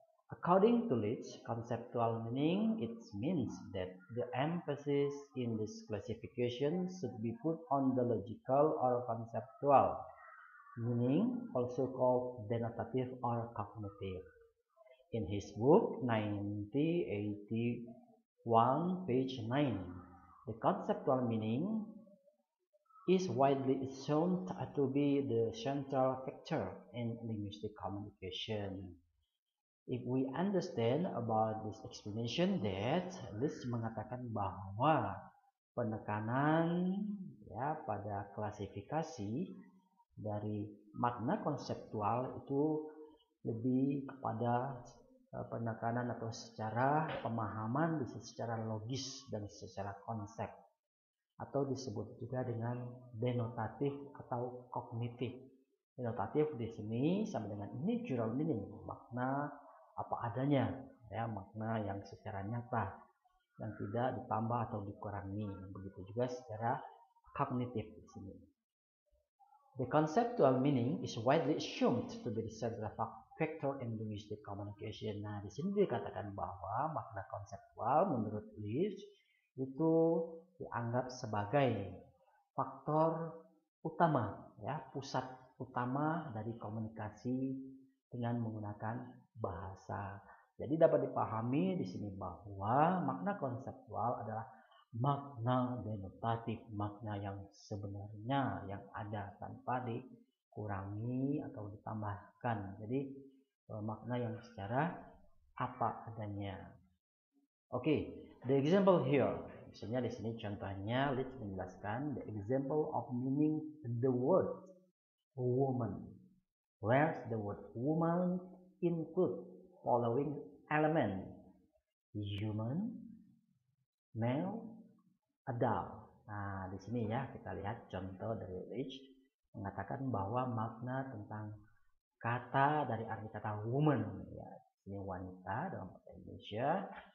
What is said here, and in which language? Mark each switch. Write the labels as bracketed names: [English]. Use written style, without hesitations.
[English] According to Leach, conceptual meaning, it means that the emphasis in this classification should be put on the logical or conceptual meaning, also called denotative or cognitive. In his book, 1981, page 9, the conceptual meaning is widely shown to be the central factor in linguistic communication. If we understand about this explanation, that [Indonesian] Liz mengatakan bahwa penekanan ya pada klasifikasi dari makna konseptual itu lebih kepada penekanan atau secara pemahaman bisa secara logis dan secara konsep, atau disebut juga dengan denotatif atau kognitif. Denotatif di sini sama dengan ini natural meaning, makna apa adanya, ya, makna yang secara nyata yang tidak ditambah atau dikurangi. Begitu juga secara kognitif di sini. [English] The conceptual meaning is widely assumed to be the central factor in linguistic communication. [Indonesian] Nah, di sini dikatakan bahwa makna konseptual menurut Leach itu dianggap sebagai faktor utama, ya, pusat utama dari komunikasi dengan menggunakan bahasa. Jadi dapat dipahami di sini bahwa makna konseptual adalah makna denotatif, makna yang sebenarnya yang ada tanpa dikurangi atau ditambahkan. Jadi makna yang secara apa adanya. [English] Oke, the example here. [Indonesian] Misalnya di sini contohnya Leach menjelaskan [English] the example of meaning the word woman. Where's the word woman include following element: human, male, adult. [Indonesian] Nah, di sini ya kita lihat contoh dari Rich mengatakan bahwa makna tentang kata dari arti kata woman, ya, ini wanita dalam bahasa Indonesia.